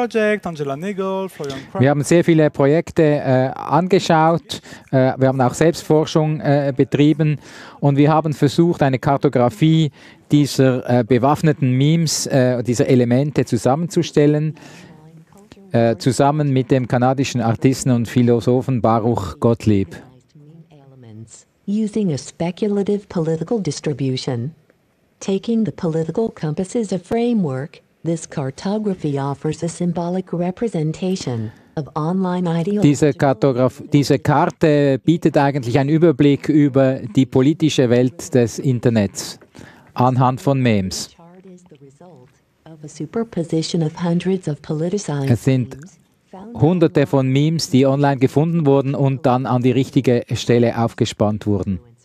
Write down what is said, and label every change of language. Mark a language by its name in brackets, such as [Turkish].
[German] Wir haben sehr viele Projekte angeschaut, wir haben auch Selbstforschung betrieben und wir haben versucht, eine Kartografie dieser bewaffneten Memes, dieser Elemente zusammenzustellen, zusammen mit dem kanadischen Artisten und Philosophen Baruch Gottlieb. [English] Using a speculative political distribution, taking the political compass as a framework, this cartography offers a symbolic representation of online ideology. [German] Diese Karte bietet eigentlich einen Überblick über die politische Welt des Internets anhand von Memes. Hunderte von Memes, die online gefunden wurden und dann an die richtige Stelle aufgespannt wurden.